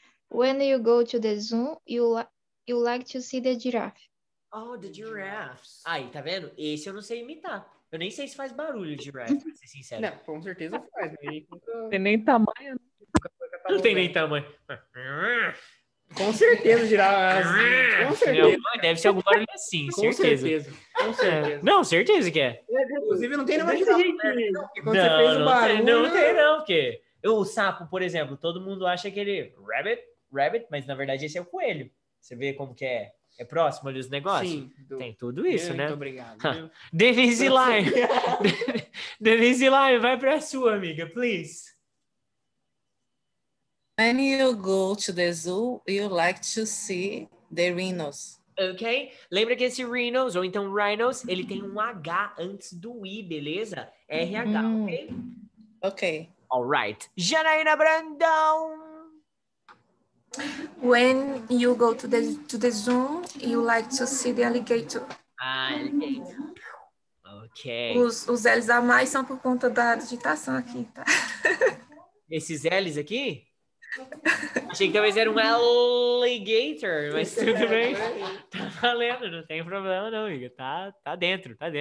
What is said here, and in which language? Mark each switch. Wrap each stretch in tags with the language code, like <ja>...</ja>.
<en>When you go to the zoo, you like to see the giraffe. Oh, the giraffes.</en> <pt>Aí, tá vendo? Esse eu não sei imitar. Eu nem sei se faz barulho de giraffe, pra ser sincero. Não, com certeza faz. Tem nem tamanho. Não tem nem tamanho. Com certeza, giraffe. Com certeza. Deve ser algum barulho assim, com certeza. Com certeza. Não, certeza que é. Inclusive, não tem nem mais giraffe. Não tem, porque o sapo, por exemplo, todo mundo acha que ele... Rabbit, mas na verdade esse é o coelho. Você vê como que é... É próximo ali os negócios? Sim. Tem tudo isso, muito né? Muito obrigado. Denise Lyme. Denise Lyme, vai pra sua, amiga, please.</pt> <en>When you go to the zoo, you like to see the rhinos. Ok.</en> <pt>Lembra que esse rhinos, ou então rhinos, ele tem um H antes do I, beleza?</pt> <en>RH, ok? Ok. All right. Janaína Brandão. When you go to the zoo, you like to see the alligator. Alligator. Ok.</en> <pt>Os L's a mais são por conta da digitação aqui, tá? Esses L's aqui? Achei que talvez era um alligator, mas tudo bem. Tá valendo, não tem problema não, amiga. Tá dentro.</pt>